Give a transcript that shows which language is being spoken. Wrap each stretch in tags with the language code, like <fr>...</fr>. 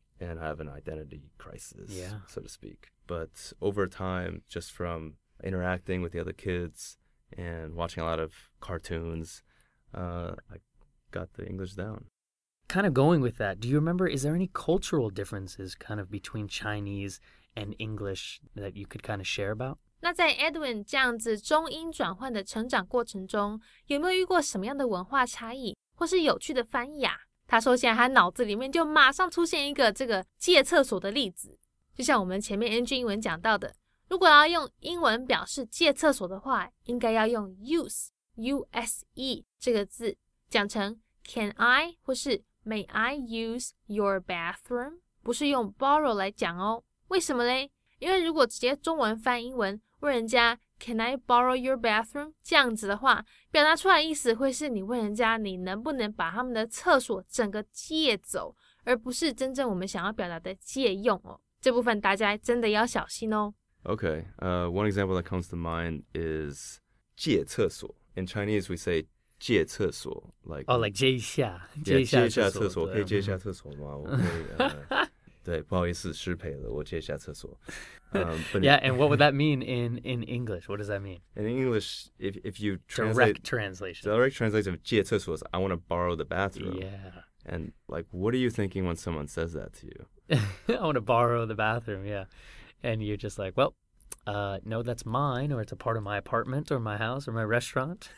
<en>And have an identity crisis, so to speak. But over time, just from interacting with the other kids and watching a lot of cartoons, I got the English down. Kind of going with that, do you remember, is there any cultural differences kind of between Chinese and English that you could kind of share about?</en> <zh>那在 Edwin 这样子中英转换的成长过程中，有没有遇过什么样的文化差异或是有趣的翻译啊？他说现在他脑子里面就马上出现一个这个借厕所的例子，就像我们前面 NG 英文讲到的，如果要用英文表示借厕所的话，应该要用 use U-S-E 这个字，讲成 can I 或是</zh> <en>may I use your bathroom，</en> <zh>不是用 borrow 来讲哦。为什么呢？因为如果直接中文翻英文问人家</zh> <en>can I borrow your bathroom</en> <zh>这样子的话，表达出来意思会是你问人家你能不能把他们的厕所整个借走，而不是真正我们想要表达的借用哦。这部分大家真的要小心哦。</zh> <en>Okay, one example that comes to mind is</en> <zh>借厕所.</zh> <en>In Chinese we say</en> <zh>借厕所</zh> <en>like, oh, like</en> <zh>借一下可以借一下厕所吗？我可以对，不好意思，失陪了，我借一下厕所。</zh> <en>Yeah, and what would that mean in English? What does that mean? In English, if you translate... Direct translation of</en> <zh>借厕所</zh> <en>is I want to borrow the bathroom. Yeah. And like, what are you thinking when someone says that to you? I want to borrow the bathroom, yeah. And you're just like, well, no, that's mine, or it's a part of my apartment or my house or my restaurant.</en>